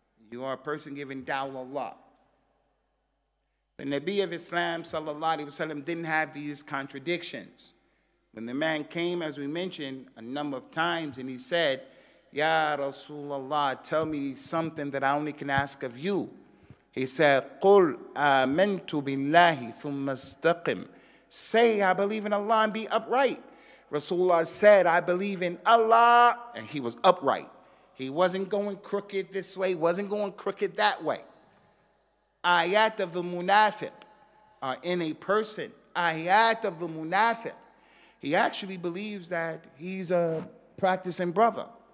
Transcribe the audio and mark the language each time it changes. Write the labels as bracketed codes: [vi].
[en] You are a person giving dawah Allah. The Nabi of Islam, sallallahu alayhi wa sallam, didn't have these contradictions. When the man came, as we mentioned, a number of times, and he said, Ya Rasulullah, tell me something that I only can ask of you. He said, [ar] قُلْ آمَنْتُ بِاللَّهِ ثُمَّ اسْتَقِمْ. [en] Say, I believe in Allah and be upright. Rasulullah said, I believe in Allah, and he was upright. He wasn't going crooked this way, wasn't going crooked that way. Ayat of the munafiq are in a person. Ayat of the munafiq. He actually believes that he's a practicing brother.